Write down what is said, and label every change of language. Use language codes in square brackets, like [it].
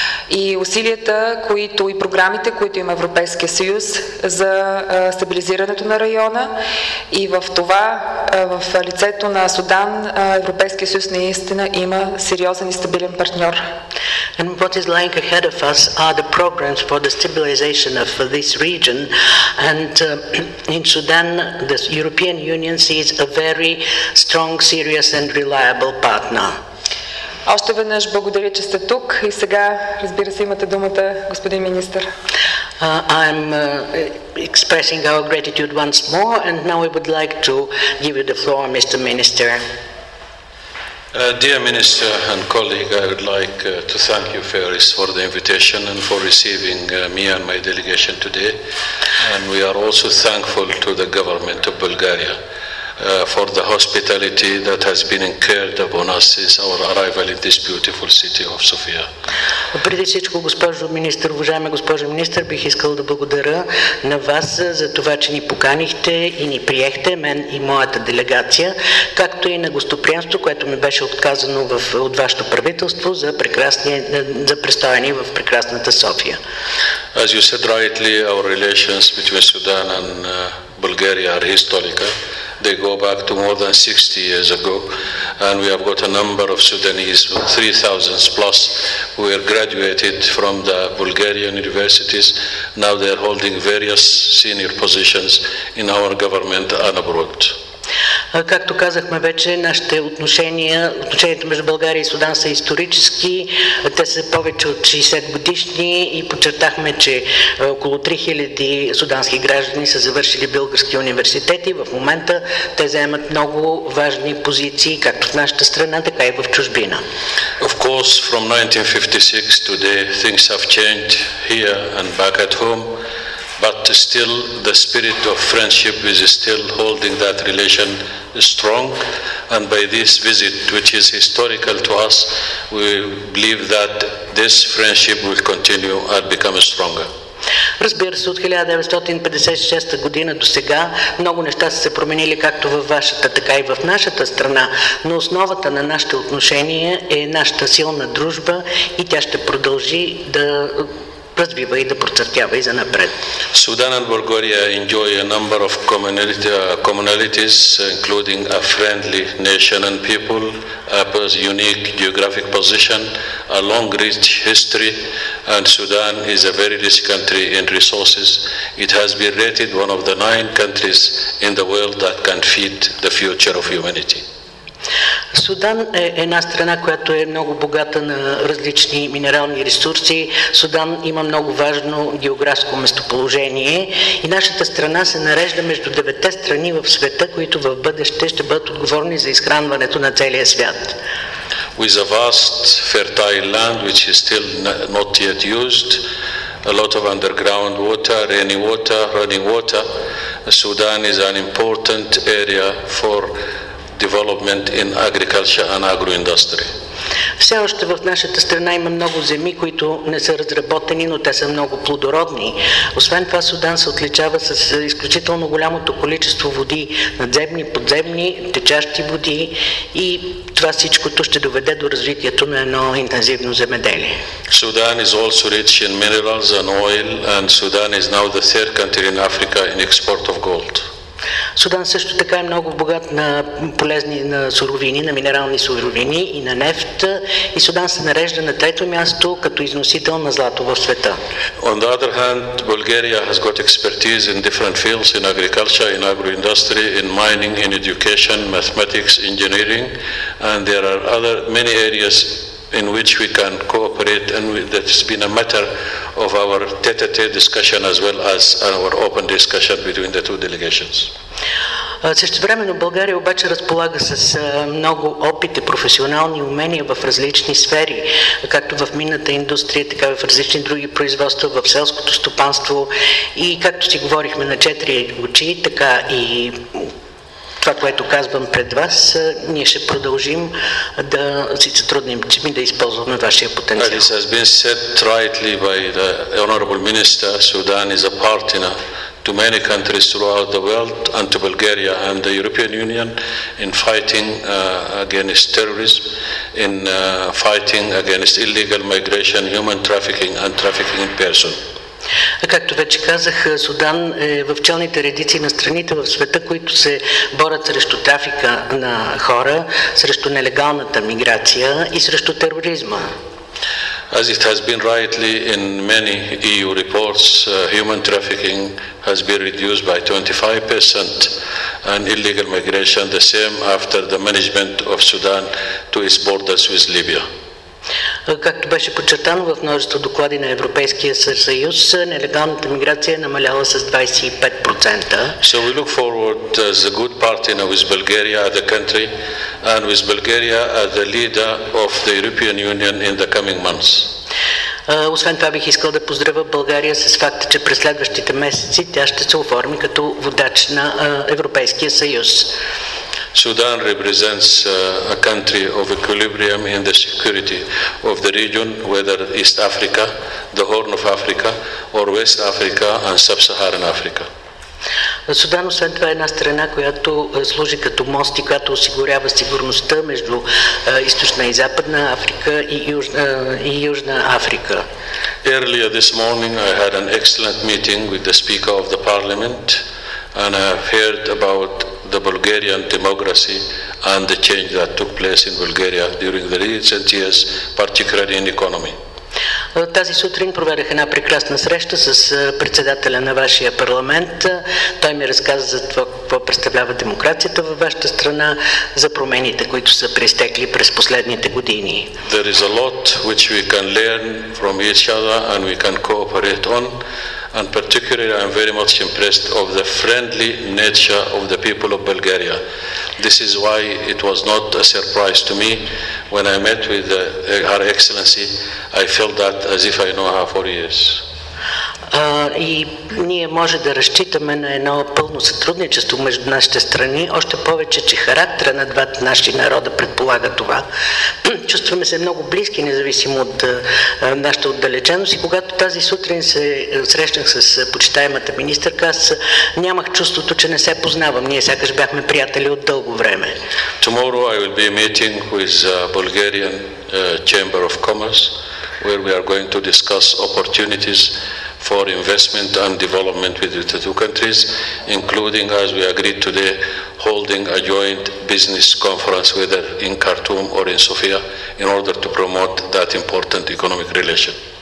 [bg] И усилията, които и програмите, които има Европейския съюз за стабилизирането на района, и в това, в лицето на Судан, Европейския съюз наистина има сериозен и стабилен партньор. [en] And what is lying ahead of us are the programs for the stabilization of this region, and in Sudan the European Union sees a very strong, serious and reliable partner. [bg] Още веднъж благодаря, че сте тук, и сега, разбира се, имате думата, господин министър. [en] I'm expressing our gratitude once more, and now we would like to give you the floor, Mr. Minister. Dear Minister and colleague, I would like to thank you first for the invitation and for receiving me and my delegation today. And we are also thankful to the government of Bulgaria for the hospitality that has been incurred upon us since our arrival in this beautiful city of Sofia. [bg] Преди всичко, госпожо министър, уважаема госпожо министър, бих искал да благодаря на вас за това, че ни поканихте и ни приехте, мен и моята делегация, както и на гостоприемство, което ми беше отказано от вашето правителство за престояние в прекрасната София. [en] As you said rightly, our relations between Sudan and Bulgaria are historical. They go back to more than 60 years ago, and we have got a number of Sudanese, 3,000 plus, who are graduated from the Bulgarian universities. Now they are holding various senior positions in our government and abroad. [bg] Както казахме вече, нашите отношенията между България и Судан са исторически, те са повече от 60 годишни и подчертахме, че около 3000 судански граждани са завършили български университети. В момента те заемат много важни позиции, както в нашата страна, така и в чужбина. [en] Of course, from 1956 to today, things have changed here and back at home. But still, the spirit of friendship is still holding that relation strong. And by this visit, which is historical to us, we believe that this friendship will continue and become stronger. [bg] Разбира се, от 1956 година до сега много неща са се променили както във вашата, така и в нашата страна, но основата на нашите отношения е нашата силна дружба и тя ще продължи да развива и да процъфтява и за напред. [en] Sudan and Bulgaria enjoy a number of commonalities, including a friendly nation and people, a unique geographic position, a long rich history, and Sudan is a very rich country in resources. It has been rated one of the 9 countries in the world that can feed the future of humanity. [bg] Судан е една страна, която е много богата на различни минерални ресурси. Судан има много важно географско местоположение и нашата страна се нарежда между 9 страни в света, които в бъдеще ще бъдат отговорни за изхранването на целия свят. [en] With a vast fertile land which is still not yet used, a lot of underground water, rainy water, running water, Sudan is an important area for development in agriculture and agro-industry. [bg] Все още в нашата страна има много земи, които не са разработени, но те са много плодородни. Освен това, Судан се отличава с изключително голямото количество води, надземни, подземни, течащи води и това всичкото ще доведе до развитието на едно интензивно земеделие. [en] Sudan is also rich in minerals and oil, and Sudan is now the third country in Africa in export of gold. [bg] Судан също така е много богат на полезни на суровини, на минерални суровини и на нефт. И Судан се нарежда на трето място като износител на злато в света. [en] On the other hand, Bulgaria has got expertise in different fields, in agriculture, in agro-industry, in mining, in education, mathematics, engineering, and there are other many areas in which we can cooperate, and that has been a matter of our tete-a-tete discussion as well as our open discussion between the two delegations. [bg] Същевременно България обаче разполага с много опит и професионални умения в различни сфери, както в минната индустрия, така и в различни други производства, в селското стопанство и както си говорихме на 4 очи, така и това, което казвам пред вас, ние ще продължим да си сътрудним, че ми да използваме вашия потенциал. [en] It has been said rightly by the Honorable Minister, Sudan is a partner to many countries throughout the world and to Bulgaria and the European Union in fighting against terrorism, in fighting against illegal migration, human trafficking and trafficking in person. [bg] Както вече казах, Судан е в челните редици на страните в света, които се борят срещу трафика на хора, срещу нелегалната миграция и срещу тероризма. [en] As it has been rightly in many EU reports, human trafficking has been reduced by 25% and illegal migration the same after the management of Sudan to its borders with Libya. [bg] Както беше подчертано в множество доклади на Европейския съюз, нелегалната миграция е намаляла с 25%. [en] So we look forward as a good partner with Bulgaria as a country and with Bulgaria as the leader of the European Union in the coming months. [bg] Освен това бих искал да поздравя България с факта, че през следващите месеци тя ще се оформи като водач на Европейския съюз. [en] Sudan represents a country of equilibrium in the security of the region, whether East Africa, the Horn of Africa, or West Africa and Sub-Saharan Africa. [bg] Судан, освен това, е една страна, която служи като мост и която осигурява сигурността между Източна и Западна Африка и Южна Африка. [en] Earlier this morning I had an excellent meeting with the Speaker of the Parliament and I have heard about the Bulgarian democracy and the change that took place in Bulgaria during the recent years, particularly in economy. [bg] Тази сутрин проведох една прекрасна среща с председателя на вашия парламент. Той ми разказа за това, какво представлява демокрацията във вашата страна, за промените, които са пристекли през последните години. [en] There is a lot which we can learn from each other and we can cooperate on. And particularly I am very much impressed of the friendly nature of the people of Bulgaria. This is why it was not a surprise to me when I met with Her Excellency. I felt that as if I know her for years. [bg] И ние може да разчитаме на едно пълно сътрудничество между нашите страни, още повече, че характера на двата наши народа предполага това. Чувстваме се много близки, независимо от нашата отдалеченост. И когато тази сутрин се срещнах с почитаемата министърка, аз нямах чувството, че не се познавам. Ние сякаш бяхме приятели от дълго време. [en] Tomorrow I will be meeting with the Bulgarian Chamber of Commerce, where we are going to discuss opportunities for investment and development between the two countries, including, as we agreed today, holding a joint business conference, whether in Khartoum or in Sofia, in order to promote that important economic relation.